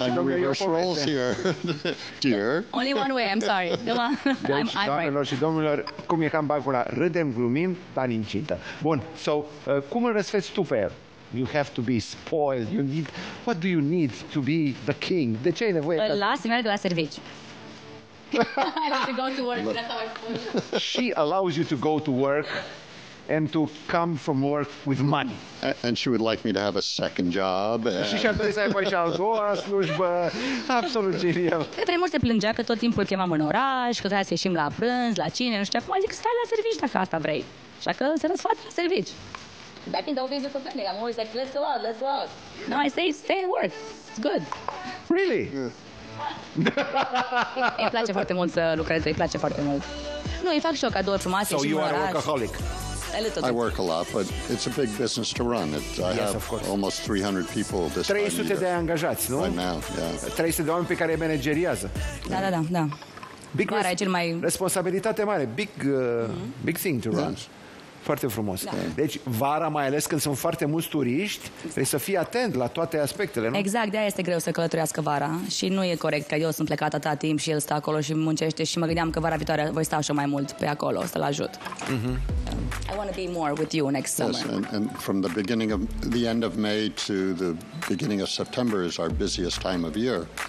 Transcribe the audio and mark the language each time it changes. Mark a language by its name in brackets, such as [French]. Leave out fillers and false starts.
[Romanian] și domnilor, [English] your roles here. Dear. Only one way, I'm sorry. [Romanian] Deci, doamnelor și domnilor, cum e cam bagula, râdem, glumim, dar incintă. Bun, so, cum îl răsfeți tu pe el? [English] You have to be spoiled. You need, what do you need to be the king? [Romanian] De ce ai nevoie? Lasă-mi merg la serviciu. [English] I have to go to work, that's how I spoil. She allows you to go to work. And to come from work with money. And she would like me to have a second job. [Romanian] Și și-ar trebui să ai poate și al doua slujbă. Absolut genial. Trebuie mult să plângea că tot timpul chemam în oraș, că trebuia să ieșim la prânz, la cine, nu știu. Acum zic, stai la servici dacă asta vrei. Așa că se răsfață la servici. [English] Back in the old days of the family, I'm always like, let's go out. No, I say, stay at work. It's good. Really? [Romanian] Îi place foarte mult să lucreze, îi place foarte mult. Nu, îi fac și eu cadouri frumoase și în oraș. [English] So you are a workaholic. I work a lot, but it's a big business to run. I have almost 300 people this year. [Romanian] 300 de angajați, nu? [English] Right now, yeah. [Romanian] 300 de oameni pe care îi manageriază. Da. [English] Big [Romanian] mare, cel mai... responsabilitate mare. [English] Big thing to run. Yes. [Romanian] Foarte frumos. Da. Deci, vara, mai ales când sunt foarte mulți turiști, trebuie să fii atent la toate aspectele, nu? Exact, de-aia este greu să călătorească vara și nu e corect că eu sunt plecat atâta timp și el stă acolo și muncește și mă gândeam că vara viitoare voi sta așa mai mult pe acolo, să-l ajut. Mm-hmm. [English] I want to be more with you next summer. Yes, and from the beginning of the end of May to the beginning of September is our busiest time of year.